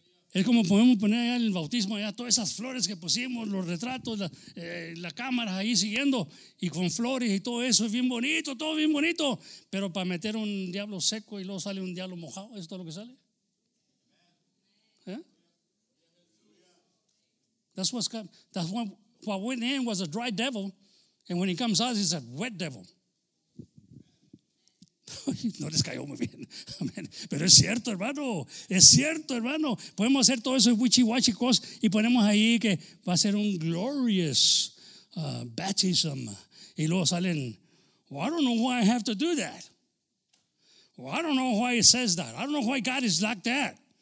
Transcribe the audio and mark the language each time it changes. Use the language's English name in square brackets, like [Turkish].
[Spanish] Es como podemos poner allá el bautismo, allá todas esas flores que pusimos, los retratos, la cámara ahí siguiendo, y con flores y todo eso, es bien bonito, todo bien bonito. Pero para meter un diablo seco y luego sale un diablo mojado, ¿esto es lo que sale? ¿Eh? [English] That's what went in was a dry devil, and when he comes out, he's a wet devil. [Spanish] No les cayó muy bien, amén. Pero es cierto, hermano. Es cierto, hermano. Podemos hacer todo eso wichiwachicos y ponemos ahí que va a ser un [English] glorious baptism. [Spanish] Y luego salen, [English] well, I don't know why I have to do that. Well, I don't know why it says that. I don't know why God is like that.